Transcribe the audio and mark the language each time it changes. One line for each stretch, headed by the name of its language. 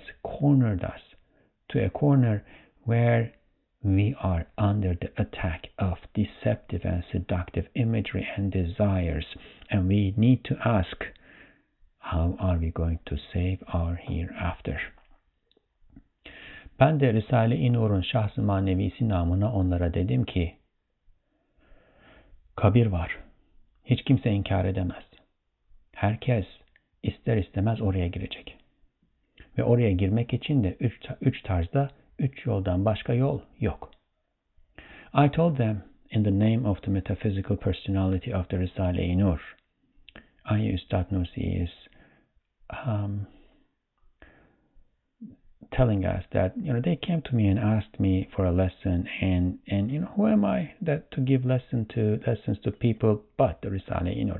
English: It's cornered us to a corner where we are under the attack of deceptive and seductive imagery and desires, and we need to ask, how are we going to save our hereafter?
Turkish: Ben de Risale-i Nur'un şahs-ı manevisi namına onlara dedim ki, kabir var, hiç kimse inkar edemez. Herkes ister istemez oraya girecek. Ve oraya girmek için de üç tarzda, üç yoldan başka yol yok.
English: I told them, in the name of the metaphysical personality of the Risale-i Nur, Ayy Üstad Nursi is telling us that, you know, they came to me and asked me for a lesson, and you know, who am I that to give lessons to people but the Risale-i Nur?